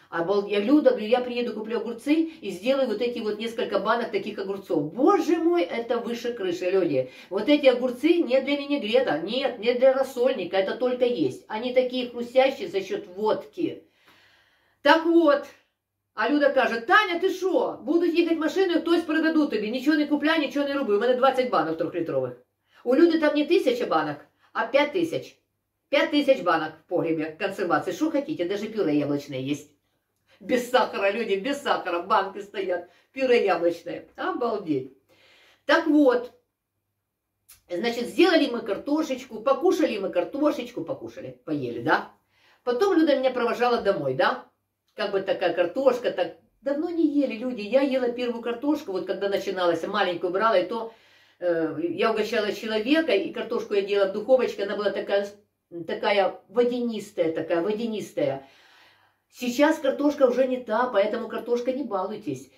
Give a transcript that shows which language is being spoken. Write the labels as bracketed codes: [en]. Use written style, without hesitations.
[ru] Я говорю, Люда, я приеду, куплю огурцы и сделаю вот эти вот несколько банок таких огурцов. Боже мой, это выше крыши, люди. Вот эти огурцы не для винегрета, нет, не для рассольника, это только есть. Они такие хрустящие за счет водки. Так вот. [uk] А Люда каже, Таня, ти що? Будуть їхати машиною, хтось продаду тобі. Нічого не купляй, нічого не роби. У мене 20 банок 3-літрових. У Люди там не 1000 банок, а 5000. 5000 банок в погребі консервації. Що хочете? [ru] Даже пюре яблочне [uk] є. [ru] Без сахара, люди, без сахара. [uk] Банки стоять. Пюре яблочне. Обалдеть. Так от. Значить, зробили ми картошечку, покушали ми картошечку, покушали, поїли, да? Потім Люда мене провожала домой, да? [ru] Как бы такая картошка, так давно не ели люди. Я ела первую картошку, вот когда начиналась, маленькую брала, и то я угощала человека, и картошку я делала в духовочке, она была такая водянистая, такая водянистая. Сейчас картошка уже не та, поэтому картошка не балуйтесь.